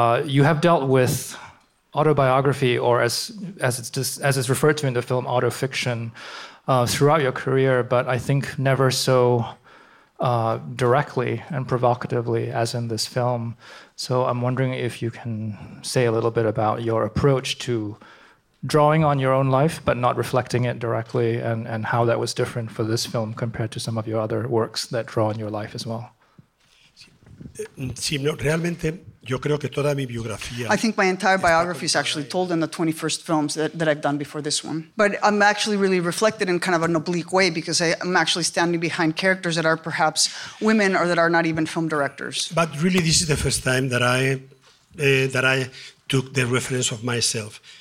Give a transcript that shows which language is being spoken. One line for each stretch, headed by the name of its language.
English: You have dealt with autobiography, or as it's referred to in the film, autofiction, throughout your career, but I think never so directly and provocatively as in this film. So I'm wondering if you can say a little bit about your approach to drawing on your own life, but not reflecting it directly, and how that was different for this film compared to some of your other works that draw on your life as well.
Spanish: Sí, no, realmente, yo creo que toda mi biografía,
English: I think my entire biography is actually told in the 21st films that I've done before this one. But I'm actually really reflected in kind of an oblique way, because I'm actually standing behind characters that are perhaps women or that are not even film directors. But really, this is the first time that I took the reference of myself.